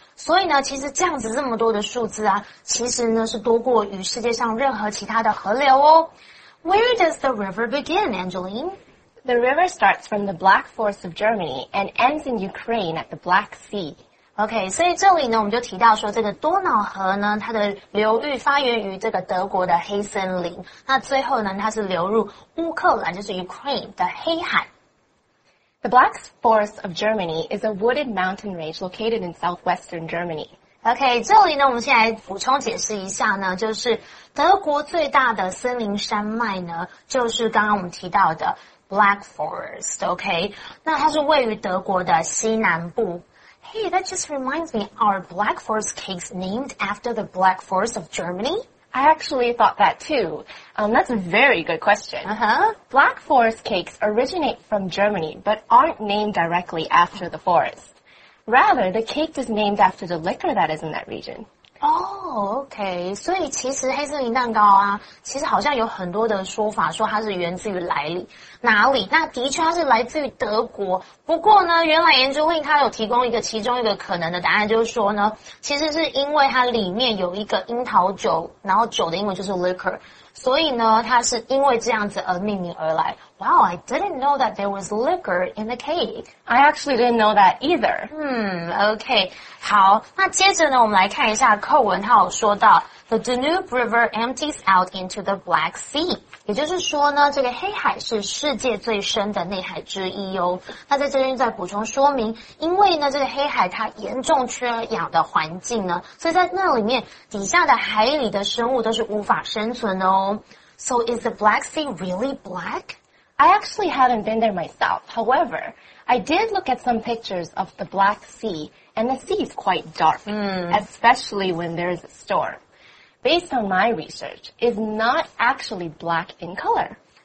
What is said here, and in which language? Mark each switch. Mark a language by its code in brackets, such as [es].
[zh] 所以呢，其实这样子这么多的数字啊，其实呢是多过于世界上任何其他的河流哦。 [en] Where does the river begin, Angeline? The river starts from the Black Forest of Germany and ends in Ukraine at the Black Sea. [zh] OK, 所以这里呢我们就提到说这个多瑙河呢它的流域发源于这个德国的黑森林。那最后呢它是流入乌克兰就是 Ukraine 的黑海。 [en] The Black Forest of Germany is a wooded mountain range located in southwestern Germany. [zh] OK, 这里呢我们先来补充解释一下呢就是德国最大的森林山脉呢就是刚刚我们提到的 Black Forest, OK? 那它是位于德国的西南部。 [en] Hey, that just reminds me, are Black Forest cakes named after the Black Forest of Germany? I actually thought that too. That's a very good question. Uh-huh. Black Forest cakes originate from Germany, but aren't named directly after the forest. Rather, the cake is named after the liquor that is in that region. Oh, okay. [zh] 所以其实黑森林蛋糕啊，其实好像有很多的说法说它是源自于哪里。那的确它是来自于德国。不过呢，原来研究令它有提供一个其中一个可能的答案，就是说呢，其实是因为它里面有一个樱桃酒，然后酒的英文就是 liquor， 所以呢，它是因为这样子而命名而来。 [en] Wow, I didn't know that there was liquor in the cake. I actually didn't know that either. [zh] Okay. 好，那接着呢，我们来看一下课文，它有说到 [en] the Danube River empties out into the Black Sea. [zh] 也就是说呢，这个黑海是世界最深的内海之一哦。那在这边再补充说明，因为呢，这个黑海它严重缺氧的环境呢，所以在那里面底下的海里的生物都是无法生存的哦。 [en] So is the Black Sea really black? I actually hadn't been there myself. However, I did look at some pictures of the Black Sea, and the sea is quite dark, especially when there is a storm. Based on my research, it's not actually black in color.